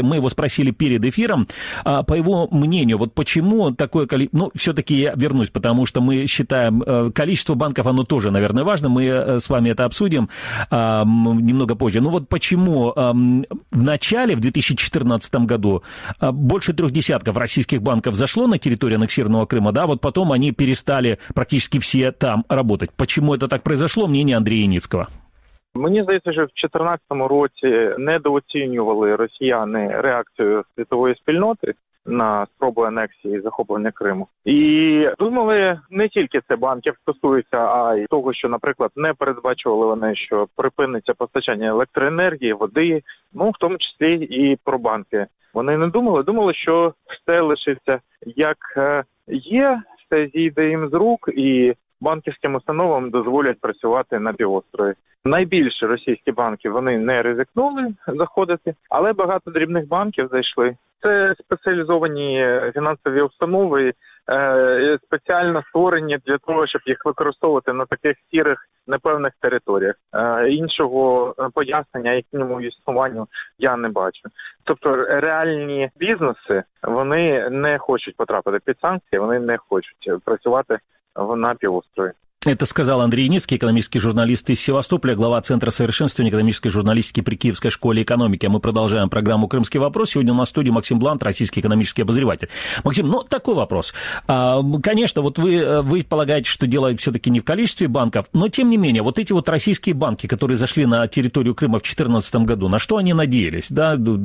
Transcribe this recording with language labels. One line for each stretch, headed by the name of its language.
Russian: Мы его спросили перед эфиром, по его мнению, вот почему такое количество... Ну, все-таки я вернусь, потому что мы считаем, количество банков, оно тоже, наверное, важно, мы с вами это обсудим немного позже. Ну, вот почему в начале, в 2014 году, больше трех десятков российских банков зашло на территорию аннексированного Крыма, да, вот потом они перестали практически все там работать. Почему это так произошло, мнение Андрея Яніцького.
Ukrainian: Мені здається, що в 2014 році недооцінювали росіяни реакцію світової спільноти на спробу анексії і захоплення Криму. І думали, не тільки це банків стосується, а й того, що, наприклад, не передбачували вони, що припиниться постачання електроенергії, води, ну, в тому числі і про банки. Вони не думали, думали, що все лишиться як є, все зійде їм з рук і... банківським установам дозволять працювати на півострові. Найбільше російські банки, вони не ризикнули заходити, але багато дрібних банків зайшли. Це спеціалізовані фінансові установи, спеціально створені для того, щоб їх використовувати на таких сірих, непевних територіях. Іншого пояснення їхньому існуванню я не бачу. Тобто реальні бізнеси, вони не хочуть потрапити під санкції, вони не хочуть працювати на півострові.
Russian: Это сказал Андрей Яніцький, экономический журналист из Севастополя, глава Центра совершенствования экономической журналистики при Киевской школе экономики. А мы продолжаем программу «Крымский вопрос». Сегодня у нас в студии Максим Блант, российский экономический обозреватель. Максим, ну, такой вопрос. Конечно, вот вы полагаете, что дело все-таки не в количестве банков, но, тем не менее, вот эти вот российские банки, которые зашли на территорию Крыма в 2014 году, на что они надеялись, да?